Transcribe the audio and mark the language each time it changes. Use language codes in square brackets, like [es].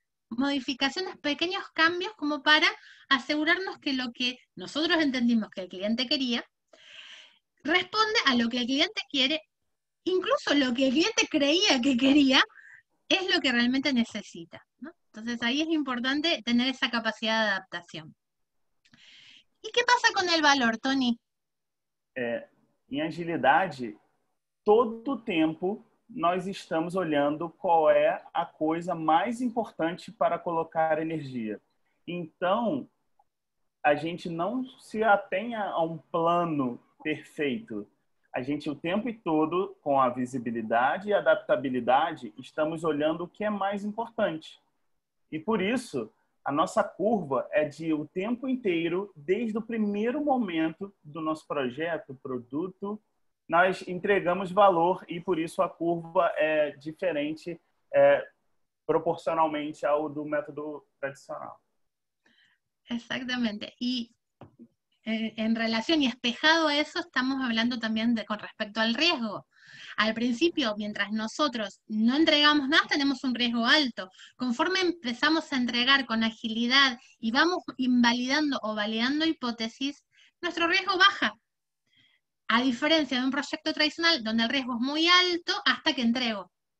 [es] modificaciones, pequeños cambios, como para asegurarnos que lo que nosotros entendimos que el cliente quería responde a lo que el cliente quiere, incluso lo que el cliente creía que quería, es lo que realmente necesita, ¿no? Entonces ahí es importante tener esa capacidad de adaptación. ¿Y qué pasa con el valor, Tony? En agilidad, [pt] todo tiempo nós estamos olhando qual é a coisa mais importante para colocar energia. Então, a gente não se atenha a um plano perfeito. A gente, o tempo todo, com a visibilidade e adaptabilidade, estamos olhando o que é mais importante. E por isso, a nossa curva é de o tempo inteiro, desde o primeiro momento do nosso projeto, produto, nós entregamos valor e, por isso, a curva é diferente proporcionalmente ao do método tradicional. Exatamente. E, em relação e espejado a isso, estamos falando também com respeito ao risco. [es] Al principio, mientras nosotros no entregamos más, tenemos un riesgo alto. Conforme empezamos a entregar con agilidad y vamos invalidando o validando hipótesis, nuestro riesgo baja. A diferencia de un proyecto tradicional, donde el riesgo es muy alto hasta que entrego.